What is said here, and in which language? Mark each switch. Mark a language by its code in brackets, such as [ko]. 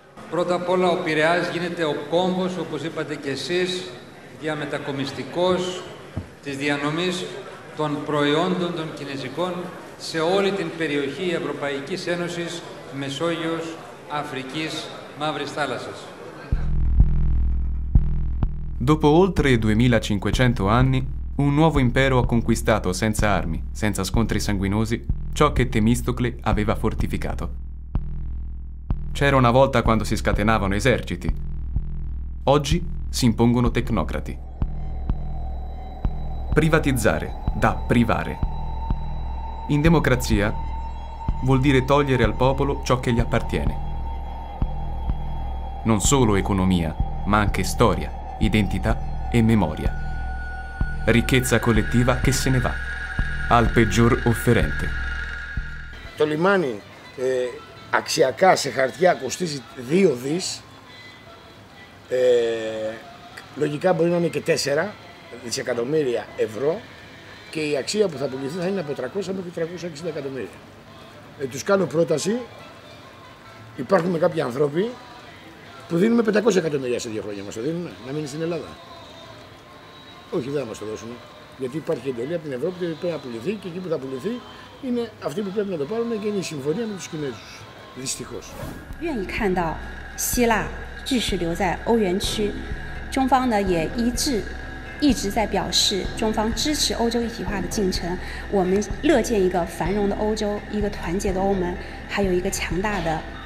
[el] Πρώτα απ' όλα ο Πειραιάς γίνεται ο κόμβος, όπως είπατε και εσείς, διαμετακομιστικός της διανομής των προϊόντων των κινέζικων σε όλη την περιοχή Ευρωπαϊκής Ένωσης, Μεσόγειος, Αφρικής, Μαύρης Θάλασσας. [it] Dopo oltre 2500 anni, un nuovo impero ha conquistato senza armi, senza scontri sanguinosi, ciò che Temistocle aveva fortificato. C'era una volta quando si scatenavano eserciti. Oggi si impongono tecnocrati. Privatizzare da privare. In democrazia vuol dire togliere al popolo ciò che gli appartiene. Non solo economia, ma anche storia, identità e memoria. Ricchezza collettiva che se ne va, al peggior offerente. [el] Το λιμάνι αξιακά σε χαρτιά κοστίζει 2 δις, λογικά μπορεί να είναι και 4 δισεκατομμύρια ευρώ και η αξία που θα πουληθεί θα είναι από 300 μέχρι 360 εκατομμύρια. Τους κάνω πρόταση, υπάρχουν κάποιοι άνθρωποι που δίνουμε 500 εκατομμύρια σε 2 χρόνια, μας το δίνουν να μείνει στην Ελλάδα. Όχι, δεν θα μας το δώσουν, γιατί υπάρχει εντολή από την Ευρώπη ότι πρέπει να πουληθεί και εκεί που θα πουληθεί είναι αυτοί που πρέπει να το πάρουν και είναι η συμφωνία με τους Κινέζους. [zh] 愿意看到希腊继续留在欧元区，中方呢也一致一直在表示中方支持欧洲一体化的进程。我们乐见一个繁荣的欧洲，一个团结的欧盟，还有一个强大的